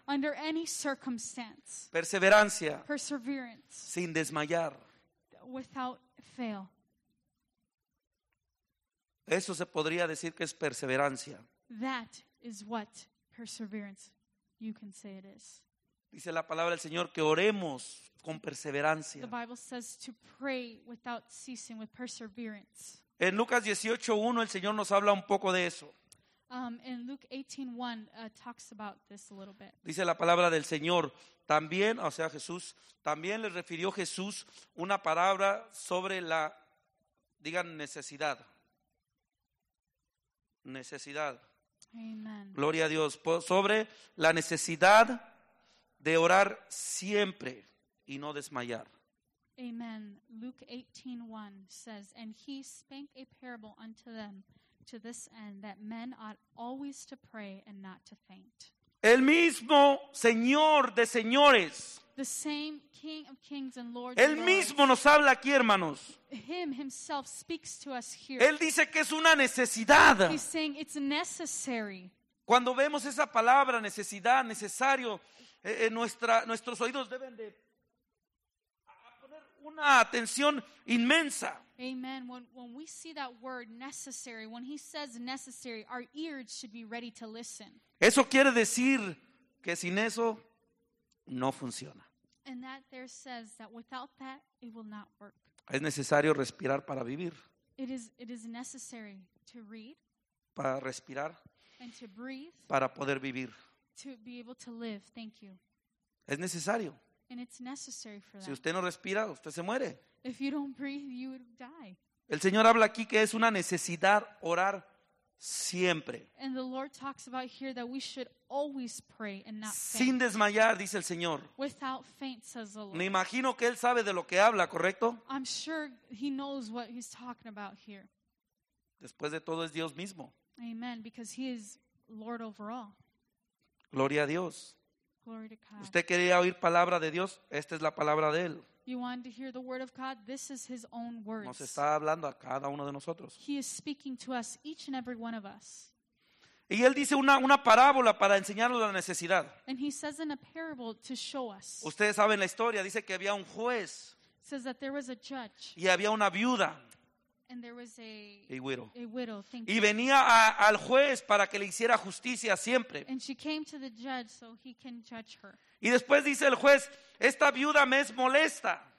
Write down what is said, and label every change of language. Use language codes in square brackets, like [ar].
[en] Under any circumstance. [es] Perseverancia. [en] Perseverance. [es] Sin desmayar. [en] Without fail. [es] Eso se podría decir que es perseverancia. [en] That is what perseverance you can say it is. [es] Dice la palabra del Señor que oremos con perseverancia. [en] The Bible says to pray without ceasing, with perseverance. [es] En Lucas 18:1 el Señor nos habla un poco de eso. [en] In Luke 18:1 talks about this a little bit. [es] Dice la palabra del Señor, también, o sea, Jesús también le refirió Jesús una palabra sobre la digan necesidad. Necesidad. Amen. Gloria a Dios. Sobre la necesidad de orar siempre y no desmayar. [en] Amen. Luke 18:1 says, and he spake a parable unto them to this end, that men ought always to pray and not to faint. [es] El mismo Señor de señores. [en] The same King of Kings and Lord. [es] El mismo nos habla aquí, hermanos. [en] Him himself speaks to us here. [es] Él dice que es una necesidad. [en] He's saying it's necessary. [es] Cuando vemos esa palabra necesidad, necesario, nuestros oídos deben de poner una atención inmensa. [en] Amen. When we see that word necessary, when he says necessary, our ears should be ready to listen. [es] Eso quiere decir que sin eso no funciona. [en] And that there says that without that it will not work. [es] Es necesario respirar para vivir. [en] It is necessary to read. [es] Para respirar. [en] And to breathe. [es] Para poder vivir. [en] To be able to live. Thank you. [es] Es necesario. [en] And it's necessary for that. [es] Si usted no respira, usted se muere. [en] If you don't breathe, you would die. [es] El Señor habla aquí que es una necesidad orar siempre. [en] And the Lord talks about here that we should always pray and not faint. [es] Sin desmayar, dice el Señor. [en] Without faint, says the Lord. [es] Me imagino que él sabe de lo que habla, ¿correcto? [en] I'm sure he knows what he's talking about here. [es] Después de todo es Dios mismo. [en] Amen, because he is Lord over all. [es] Gloria a Dios. [en] Glory to God. [es] ¿Usted quería oír palabra de Dios? Esta es la palabra de él. [en] You want to hear the word of God? This is his own words. [es] Nos está hablando a cada uno de nosotros. [en] He is speaking to us, each and every one of us. [es] Y él dice una parábola para enseñarnos la necesidad. [en] And he says in a parable to show us. [es] Ustedes saben la historia, dice que había un juez. [en] Says that there was a judge. [es] Y había una viuda. [en] And there was a widow. Thank [es] y venía [en] you. [es] Al juez para que le hiciera justicia siempre. [en] And she came to the judge so he can judge her. [es] Y después dice el juez, esta viuda me es molesta.